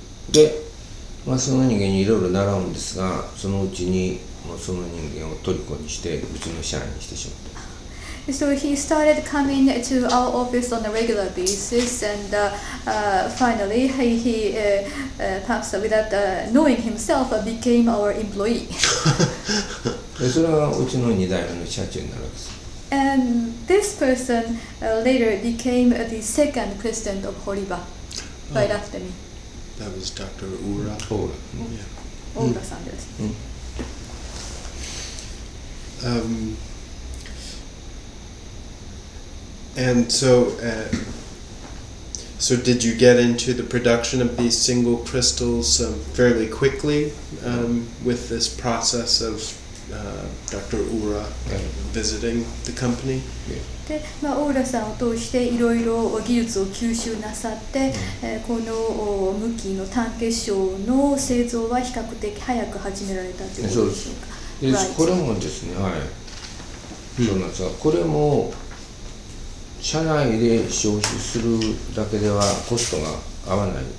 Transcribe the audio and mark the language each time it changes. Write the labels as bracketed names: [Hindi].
[Japanese] で、まあ、その人間にいろいろ習うんですが、そのうちにもうその人間を虜にしてうちの社員にしてしまった。 [English] So he started coming to our office on a regular basis, and finally he perhaps without knowing himself became our employee. [Japanese] それはうちの2代目の社長になるんです。 [English] And this person later became the second president of Horiba, right after me. That was Dr. Ura. Ura. Ura-san, yes. And so, so did you get into the production of these single crystals fairly quickly with this process of... Dr. Ura visiting the company. [Japanese] で、まあ、オーラさんを通していろいろ技術を吸収なさって、この無機の単結晶の製造は比較的早く始められたということですか。これもですね、はい、そうなんですが、これも社内で消費するだけではコストが合わない。